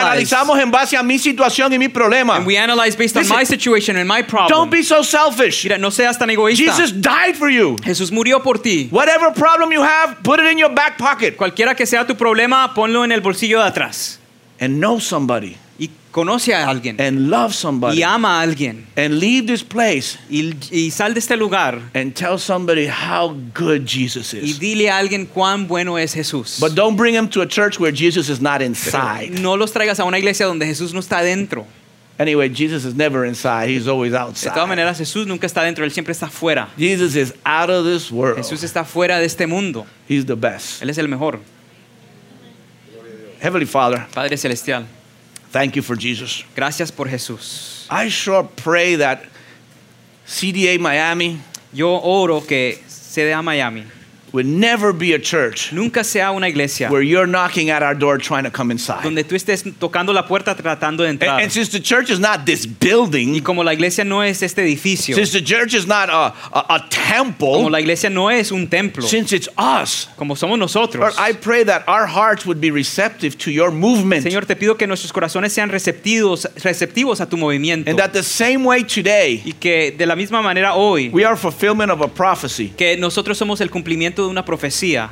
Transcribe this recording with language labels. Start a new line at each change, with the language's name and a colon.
Spanish: Y analizamos en base a mi situación y mi problema.
English: And we analyze based on my situation and my problem. Don't be so selfish.
Spanish: Mira, no seas tan egoísta.
English: Jesus died for you.
Spanish: Jesús murió por ti.
English: Whatever problem you have, put it in your back pocket.
Spanish: Cualquiera que sea tu problema, ponlo en el bolsillo de atrás.
English: And know somebody.
Spanish: Conoce a alguien.
English: And love somebody.
Spanish: Y ama a alguien.
English: And leave this place.
Spanish: Y sal de este lugar.
English: And tell somebody how good Jesus is.
Spanish: Y dile a alguien cuán bueno es Jesús.
English: But don't bring him to a church where Jesus is not inside.
Spanish: No los traigas a una iglesia donde Jesús no está dentro.
English: Anyway, Jesus is never inside. He's always outside.
Spanish: De todas maneras, Jesús nunca está dentro. Él siempre está fuera.
English: Jesus is out of this world.
Spanish: Jesús está fuera de este mundo.
English: He's the best.
Spanish: Él es el mejor.
English: Heavenly Father.
Spanish: Padre celestial.
English: Thank you for Jesus.
Spanish: Gracias por Jesús.
English: I sure pray that CDA Miami.
Spanish: Yo oro que CDA Miami.
English: would never be a church
Spanish: nunca sea una iglesia
English: where you're knocking at our door trying to come inside.
Spanish: Donde tú estés tocando la puerta tratando de entrar.
English: And since the church is not this building,
Spanish: y como la iglesia no es este edificio,
English: since the church is not a temple,
Spanish: como la iglesia no es un templo,
English: since it's us,
Spanish: como somos nosotros,
English: Lord, I pray that our hearts would be receptive to your movement.
Spanish: Señor, te pido que nuestros corazones sean receptivos a tu movimiento.
English: And that the same way today,
Spanish: y que de la misma manera hoy,
English: we are fulfillment of a prophecy.
Spanish: Que nosotros somos el cumplimiento de una profecía.